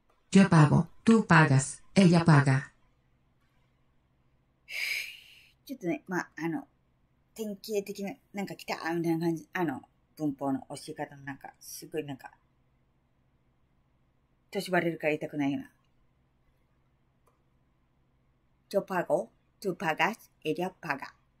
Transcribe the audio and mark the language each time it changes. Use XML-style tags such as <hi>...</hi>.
<es>Yo pago, tú pagas, ella paga.</es> <ja>ちょっとね、まあ、あの、典型的な、なんか来た、みたいな感じ、あの、文法の教え方の、なんか、すごい、なんか、年バレるから言いたくないような。</ja> <es>Yo pago, tú pagas, ella paga.</es>